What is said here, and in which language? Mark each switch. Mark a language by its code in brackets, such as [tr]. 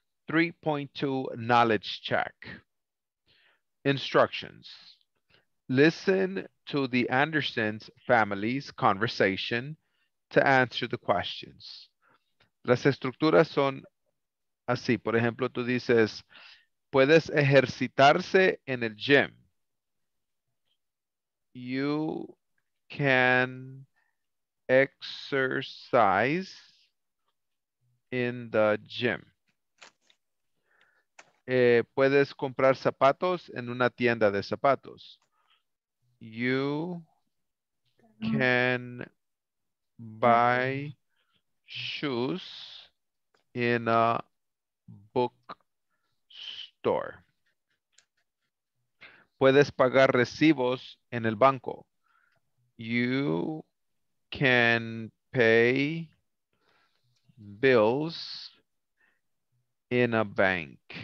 [en] 3.2 knowledge check. Instructions. Listen to the Anderson's family's conversation to answer the questions. [es] Las estructuras son así. Por ejemplo, tú dices, puedes ejercitarse en el gym. [en] You can exercise in the gym. [es] puedes comprar zapatos en una tienda de zapatos. [en] You can buy shoes in a book store. [es] Puedes pagar recibos en el banco. [en] You can pay bills in a bank.